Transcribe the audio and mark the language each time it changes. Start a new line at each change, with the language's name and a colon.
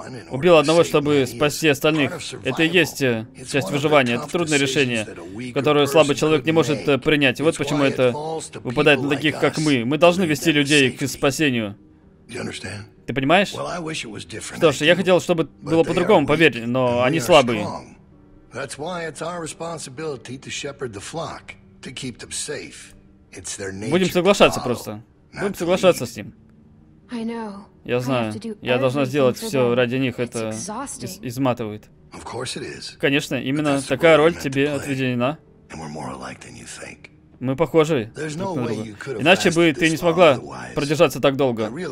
Russian: Убил одного, чтобы спасти остальных. Это и есть часть выживания. Это трудное решение, которое слабый человек не может принять. Вот почему это выпадает на таких, как мы. Мы должны вести людей к спасению. Ты понимаешь? Что ж, я хотел, чтобы было по-другому, поверь, но они слабые.
English: That's why it's our responsibility to shepherd the flock, to keep them safe. It's their nature.
Russian: Будем соглашаться просто. Будем соглашаться с ним.
English: I know.
Russian: Я знаю. Я должна сделать все ради них. Это изматывает.
English: Of course it is.
Russian: Конечно, именно такая роль тебе отведена.
English: And we're more alike than you think.
Russian: Мы похожи. Иначе бы ты не смогла продержаться так долго.